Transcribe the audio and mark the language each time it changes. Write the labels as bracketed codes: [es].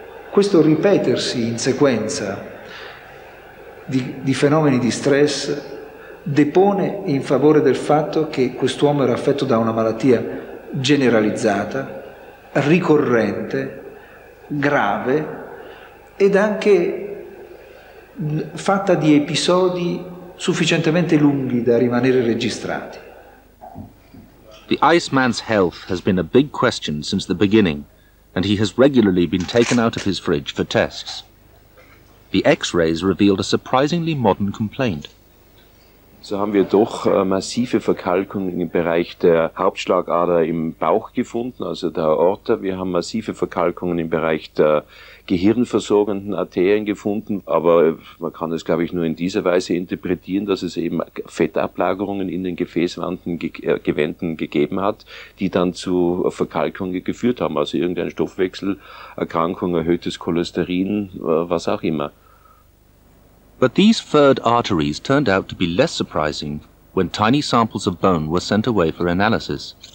[it] Questo ripetersi in sequenza di fenomeni di stress depone in favore del fatto che quest'uomo era affetto da una malattia generalizzata, ricorrente, grave ed anche fatta di episodi sufficientemente lunghi da rimanere registrati. [en] The Iceman's health has been a big question since the beginning, and he has regularly been taken out of his fridge for tests. The X-rays revealed a surprisingly modern complaint. [de] So haben wir doch massive Verkalkung im Bereich der Hauptschlagader im Bauch gefunden, also der Aorta. Wir haben massive Verkalkungen im Bereich der gehirnversorgenden Arterien gefunden. Aber man kann es, glaube ich, nur in dieser Weise interpretieren, dass es eben Fettablagerungen in den Gefäßwänden gegeben hat, die dann zu Verkalkungen geführt haben. Also irgendeine Stoffwechselerkrankung, erhöhtes Cholesterin, was auch immer. [en] But these furred arteries turned out to be less surprising when tiny samples of bone were sent away for analysis.